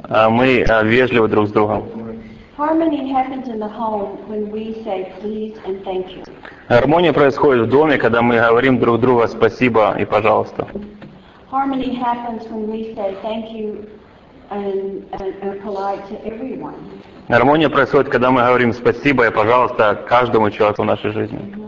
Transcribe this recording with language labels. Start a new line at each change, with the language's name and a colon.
Russian: Мы вежливы друг с другом.
English: Harmony happens in the home when we say please and thank you.
Russian: Гармония происходит в доме, когда мы говорим друг другу спасибо и пожалуйста.
English: Harmony happens when we say thank you. And polite to everyone.
Russian: Гармония происходит, когда мы говорим спасибо и пожалуйста каждому человеку в нашей жизни.